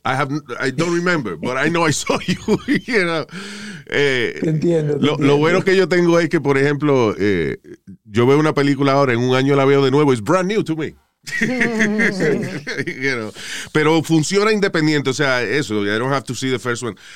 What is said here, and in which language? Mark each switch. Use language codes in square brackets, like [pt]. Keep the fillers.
[en] I, have, I don't remember, but I know I saw you. you know? [es] eh, te entiendo, te lo, entiendo, lo, bueno que yo tengo es que, por ejemplo, eh, yo veo una película ahora, en un año la veo de nuevo. [en] It's brand new to me. you know? [es] Pero funciona independiente. O sea, eso, [en] I don't have to see the first one.